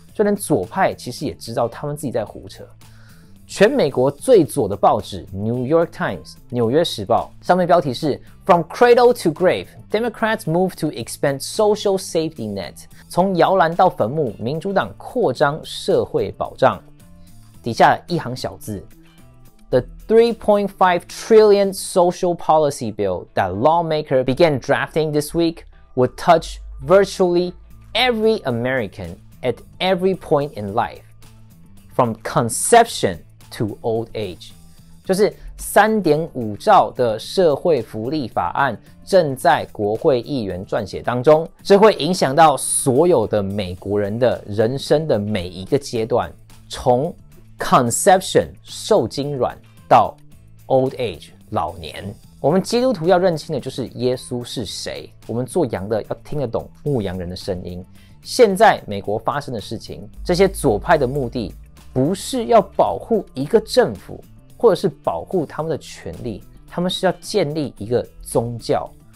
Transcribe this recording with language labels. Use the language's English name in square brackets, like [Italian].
[Chinese] 就连左派其实也知道他们自己在胡扯。全美国最左的报纸 New York Times 纽约时报上面标题是 [English] From Cradle to Grave Democrats Move to Expand Social Safety Net， [Chinese] 从摇篮到坟墓，民主党扩张社会保障。 [English] 底下一行小字 The $3.5 trillion social policy bill that lawmakers began drafting this week would touch virtually every American at every point in life from conceptionto old age， [Chinese] 就是 3.5 兆的社会福利法案正在国会议员撰写当中，这会影响到所有的美国人的人生的每一个阶段，从 conception 受精卵到 old age 老年。我们基督徒要认清的就是耶稣是谁，我们做羊的要听得懂牧羊人的声音。现在美国发生的事情，这些左派的目的不是要保护一个政府，或者是保护他们的权利，他们是要建立一个宗教。